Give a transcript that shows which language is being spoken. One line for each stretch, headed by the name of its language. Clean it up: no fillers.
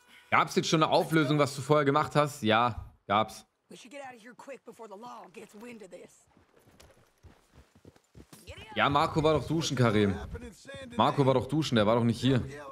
German: Gab's jetzt schon eine Auflösung, was du vorher gemacht hast? Ja, gab's.
English: We should get out of here quick before the law gets wind of this.
German: Ja, Marco war doch duschen, Karim. Marco war doch duschen, der war doch nicht hier.